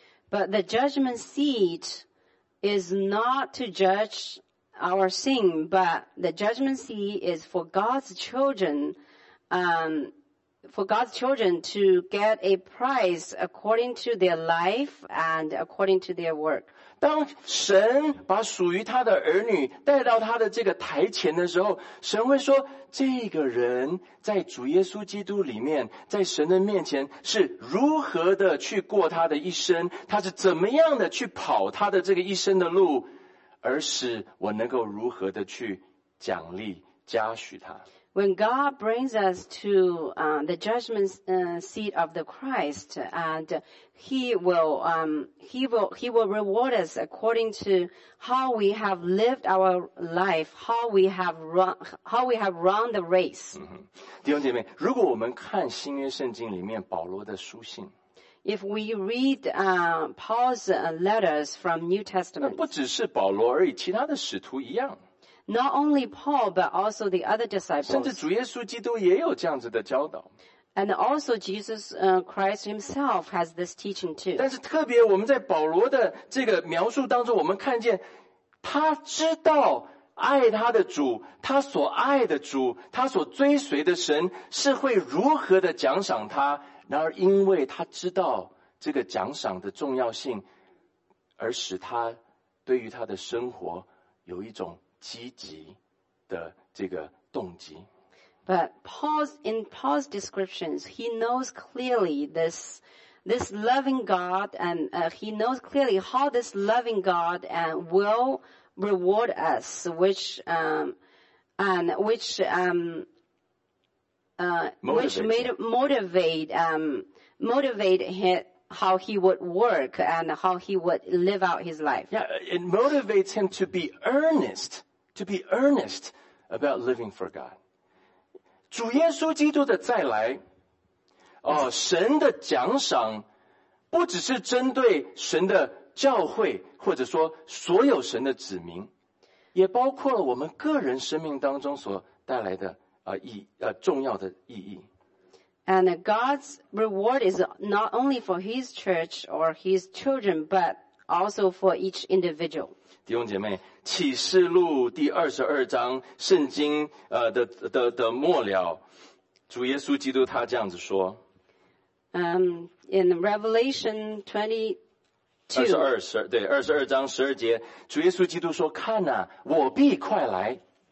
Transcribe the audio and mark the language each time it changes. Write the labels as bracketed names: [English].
[English] But the judgment seat is not to judge our sin, but the judgment seat is for God's children, to get a prize according to their life and according to their work. [Chinese] 当神把属于他的儿女带到他的这个台前的时候，神会说，这个人在主耶稣基督里面，在神的面前是如何的去过他的一生，他是怎么样的去跑他的这个一生的路，而使我能够如何的去奖励嘉许他。 [English] When God brings us to the judgment seat of the Christ, and He will reward us according to how we have lived our life, how we have run the race. [Chinese] 弟兄姐妹，如果我们看新约圣经里面保罗的书信。 [English] If we read Paul's letters from New Testament, [Chinese] 那不只是保罗而已，其他的使徒一样。 [English] Not only Paul, but also the other disciples. [Chinese] 甚至主耶稣基督也有这样子的教导。 [English] And also Jesus Christ himself has this teaching too. [Chinese] 但是特别我们在保罗的这个描述当中，我们看见他知道爱他的主，他所爱的主，他所追随的神是会如何的奖赏他。然而因为他知道这个奖赏的重要性，而使他对于他的生活有一种积极的这个动机。 [English] But in Paul's descriptions, he knows clearly this loving God, and he knows clearly how this loving God and will reward us, which motivated him how he would work and how he would live out his life. Yeah, it motivates him to be earnest about living for God. [Chinese] 主耶稣基督的再来，哦，神的奖赏不只是针对神的教会，或者说所有神的子民，也包括了我们个人生命当中所带来的重要的意义。 [English] And God's reward is not only for His church or His children, but also for each individual. [Chinese] 弟兄姐妹，启示录第二十二章圣经的末了，主耶稣基督他这样子说。 [English] In Revelation 22:22, [Chinese] 主耶稣基督说：“看哪、啊，我必快来。”